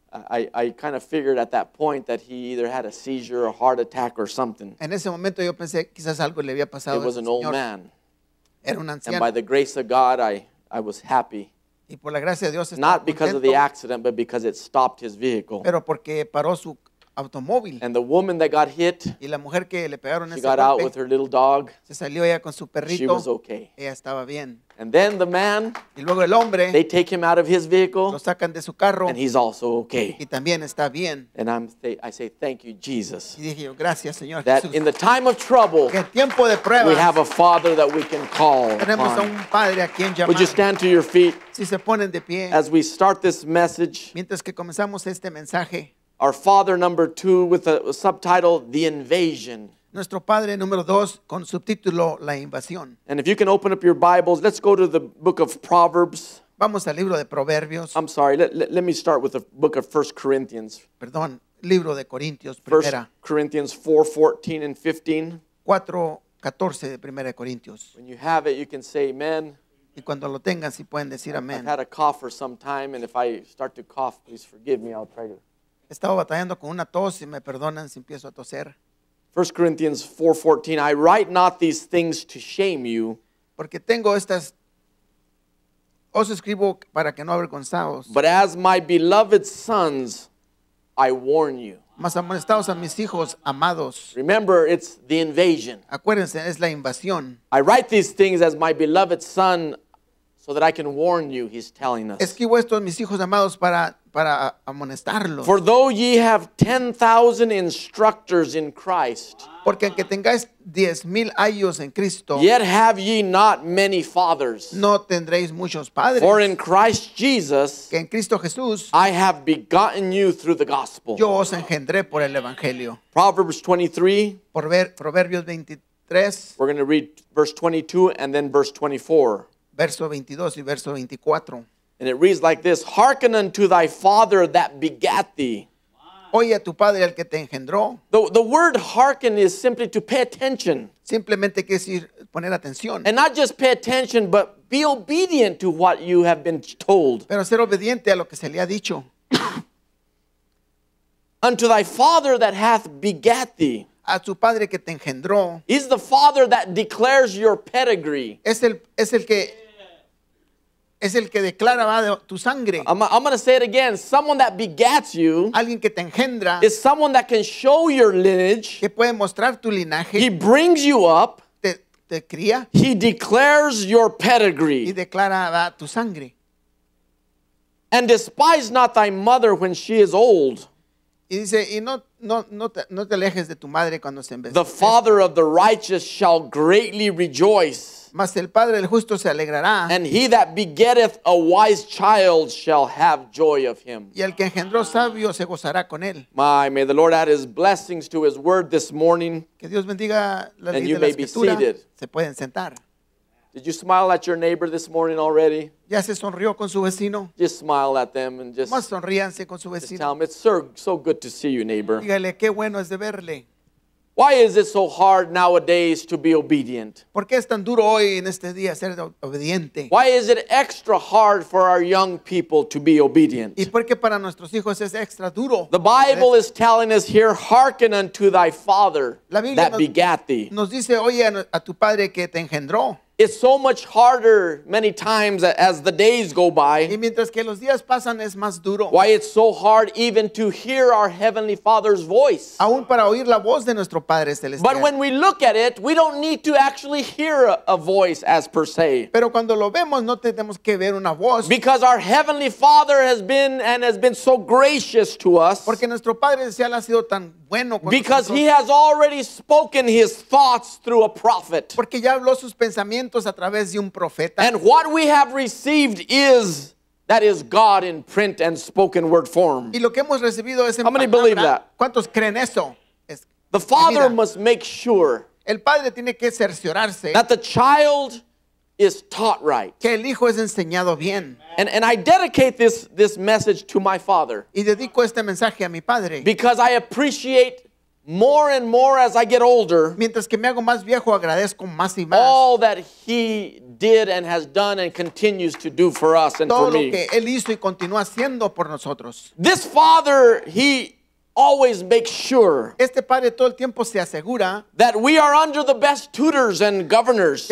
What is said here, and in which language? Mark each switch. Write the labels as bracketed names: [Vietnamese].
[English] I kind of figured at that point that he either had a seizure, a heart attack, or something. [Spanish] En ese momento yo pensé quizás algo le había pasado. [English] It was an old man. [Spanish] Era un anciano. [English] And by the grace of God, I was happy. [Spanish] Y por la gracia de Dios estaba [English] not because [Spanish] contento. [English] Of the accident, but because it stopped his vehicle. [Spanish] Pero porque paró su automóvil. [English] And the woman that got hit, [Spanish] y la mujer que le pegaron [English] she [Spanish] ese [English] got [Spanish] golpe, [English] out with her little dog. [Spanish] Se salió ella con su perrito. [English] She was okay. [Spanish] Ella estaba bien. [English] And then the man, [Spanish] y luego el hombre, [English] they take him out of his vehicle, [Spanish] lo sacan de su carro, [English] and he's also okay. [Spanish] Y también está bien. [English] And I say, thank you, Jesus. [Spanish] Y dije yo, gracias, Señor [English] that [Spanish] Jesús. [English] In the time of trouble, [Spanish] que en tiempo de pruebas, [English] we have a Father that we can call [Spanish] tenemos [English] upon. [Spanish] A un padre a quien llamar. [English] Would you stand to your feet [Spanish] si se ponen de pie, [English] as we start this message? [Spanish] Mientras que comenzamos este mensaje, [English] our Father number two with a subtitle, The Invasion. [Spanish] Nuestro Padre número dos con subtítulo, La Invasión. [English] And if you can open up your Bibles, let's go to the book of Proverbs. [Spanish] Vamos al libro de Proverbios. [English] I'm sorry, let me start with the book of 1 Corinthians. [Spanish] Perdón, libro de Corintios, primera. [English] 1 Corinthians 4:14 and 15. [Spanish] 4:14 de primera de Corintios. [English] When you have it, you can say amen. [Spanish] Y cuando lo tengan, sí pueden decir amén. [English] I've had a cough for some time, and if I start to cough, please forgive me, I'll try to. [Spanish] Estaba batallando con una tos y me perdonan si empiezo a toser. [English] 1 Corinthians 4:14, I write not these things to shame you. [Spanish] Porque tengo estas, os escribo para que no avergonzaos. [English] But as my beloved sons, I warn you. [Spanish] Mas amonestaos a mis hijos amados. [English] Remember, it's the invasion. [Spanish] Acuérdense, es la invasión. [English] I write these things as my beloved son, so that I can warn you, he's telling us. [Spanish] Escribo esto a mis hijos amados para amonestarlos. [English] For though ye have 10,000 instructors in Christ, [Spanish] porque aunque tengáis 10,000 ayos en Cristo, [English] yet have ye not many fathers. [Spanish] No tendréis muchos padres. [English] For in Christ Jesus, [Spanish] que en Cristo Jesús, [English] I have begotten you through the gospel. [Spanish] Yo os engendré por el evangelio. [English] Proverbs 23. [Spanish] Proverbios 23. [English] We're going to read verse 22 and then verse 24. [Spanish] Verso 22 y verso 24. [English] And it reads like this, hearken unto thy father that begat thee. [Spanish] Oye a tu padre al que te engendró. [English] The word hearken is simply to pay attention. [Spanish] Simplemente quiere decir poner atención. [English] And not just pay attention, but be obedient to what you have been told. [Spanish] Pero ser obediente a lo que se le ha dicho. [English] Unto thy father that hath begat thee. [Spanish] A tu padre que te engendró. [English] Is the father that declares your pedigree. [Spanish] Es el que declara tu sangre. [English] I'm going to say it again. Someone that begats you. [Spanish] Alguien que te engendra. [English] Is someone that can show your lineage. [Spanish] Que puede mostrar tu linaje. [English] He brings you up. [Spanish] Te cría. [English] He declares your pedigree. [Spanish] Y declara tu sangre. [English] And despise not thy mother when she is old. [Spanish] Y dice, y no te alejes de tu madre cuando se envejece. [English] The father of the righteous shall greatly rejoice. [Spanish] Mas el padre del justo se alegrará. [English] And he that begetteth a wise child shall have joy of him. [Spanish] Y el que engendró sabio se gozará con él. [English] May the Lord add his blessings to his word this morning. [Spanish] Que Dios bendiga la ley de la escritura. Se pueden sentar. [English] Did you smile at your neighbor this morning already? [Spanish] Ya se sonrió con su vecino. [English] Just smile at them and just. [Spanish] Más sonríanse con su vecino. [English] Just tell them it's so good to see you, neighbor. [Spanish] Dígale qué bueno es de verle. [English] Why is it so hard nowadays to be obedient? [Spanish] ¿Por qué es tan duro hoy en este día ser obediente? [English] Why is it extra hard for our young people to be obedient? [Spanish] ¿Y por qué para nuestros hijos es extra duro? [English] The Bible is telling us here, hearken unto thy father that begat thee. [Spanish] Nos dice, oye a tu padre que te engendró. [English] It's so much harder many times as the days go by. [Spanish] Y mientras que los días pasan, es más duro. [English] Why it's so hard even to hear our Heavenly Father's voice. [Spanish] Aún para oír la voz de nuestro Padre Celestial. [English] But when we look at it, we don't need to actually hear a voice as per se. [Spanish] Pero cuando lo vemos, no tenemos que ver una voz. [English] Because our Heavenly Father has been so gracious to us. [Spanish] Porque nuestro Padre Celestial ha sido tan bueno con [English] because [Spanish] nosotros. [English] He has already spoken his thoughts through a prophet. [Spanish] Porque ya habló sus pensamientos. A través de un profeta. [English] And what we have received is that is God in print and spoken word form. [Spanish] Y lo que hemos recibido es en palabra. [English] How many believe that? [Spanish] ¿Cuántos creen eso? [English] The father must make sure. [Spanish] El padre tiene que cerciorarse. [English] That the child is taught right. [Spanish] Que el hijo es enseñado bien. [English] And I dedicate this message to my father. [Spanish] Y dedico este mensaje a mi padre. [English] Because I appreciate more and more as I get older, [Spanish] mientras que me hago más viejo, agradezco más y más. [English] All that he did and has done and continues to do for us and [Spanish] todo [English] for [Spanish] lo que [English] me. [Spanish] Él hizo y continúa haciendo por nosotros. [English] This father, he always makes sure [Spanish] este padre todo el tiempo se asegura [English] that we are under the best tutors and governors.